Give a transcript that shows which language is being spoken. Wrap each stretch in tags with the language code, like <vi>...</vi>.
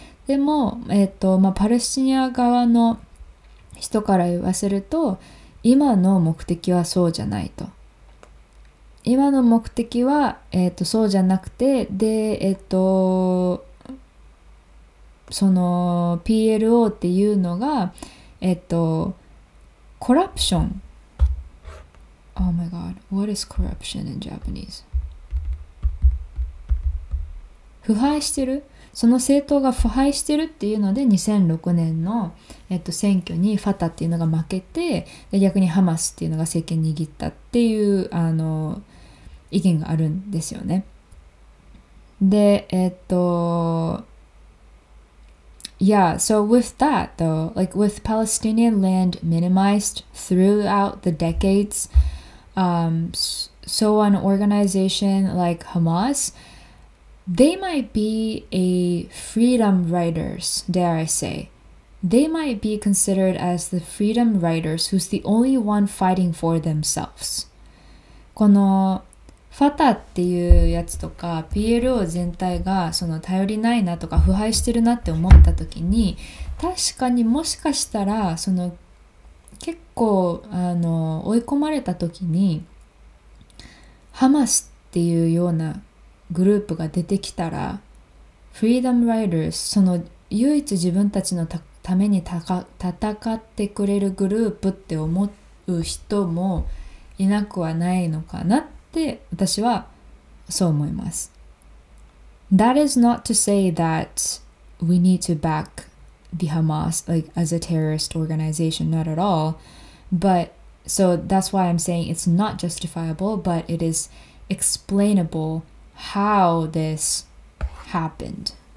<ja>でもまあパレスチナ側の人から言わせると今の目的はそうじゃないと。今の目的は、そうじゃなくて、で、その PLO っていうのが、コラプション。</ja> <en>Oh my god, what is corruption in Japanese?</en> <ja>腐敗してる？その政党が腐敗してるっていうので2006年の、選挙にファタっていうのが負けて、で逆にハマスっていうのが政権握ったっていう、意見があるんですよね。</ja> <en>で、Yeah, so with that though, like with Palestinian land minimized throughout the decades, so an organization like Hamas, they might be a freedom riders, dare I say. They might be considered as the freedom riders who's the only one fighting for themselves.</en> <ja>このファタっていうやつとか PLO 全体がその頼りないなとか腐敗してるなって思った時に確かにもしかしたらその結構追い込まれた時にハマスっていうようなグループが出てきたらフリーダムライダーズその唯一自分たちのために戦ってくれるグループって思う人もいなくはないのかなってで、私はそう思います。</ja> <en>That is not to say that we need to back the Hamas like as a terrorist organization, not at all. But so that's why I'm saying it's not justifiable, but it is explainable how this happened.</en>